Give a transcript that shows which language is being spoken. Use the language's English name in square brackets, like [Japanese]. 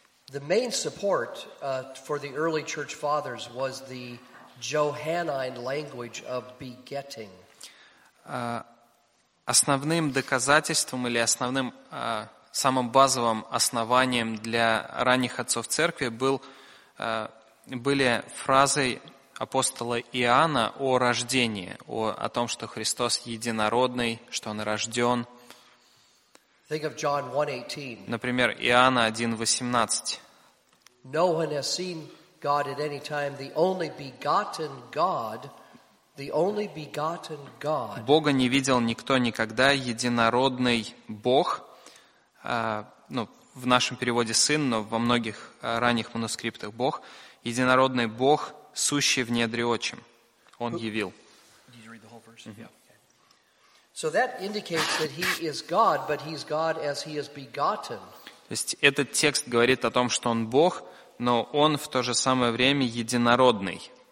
[English] The main support for the early church fathers was the Johannine language of begetting. [Russian] Основным доказательством или основным самым базовым основанием для ранних отцов церкви были фразы апостола Иоанна о рождении, о том, что Христос единородный, что он рожден. [English] Think of John 1:18. [Russian] Например, Иоанна 1:18. [English] No one has seen God at any time. The only begotten God, the only begotten God. [Russian] Бога не видел никто никогда. Единородный Бог, ну, в нашем переводе Сын, но во многих ранних манускриптах Бог. Единородный Бог, сущий в недре отчим. Он явил. [English] Did you read the whole verse? Mm-hmm. Yeah. So that indicates that he is God, but he's God as he is begotten. [Russian] То есть этот текст говорит о том, что он Бог, но он в то же самое время единородный.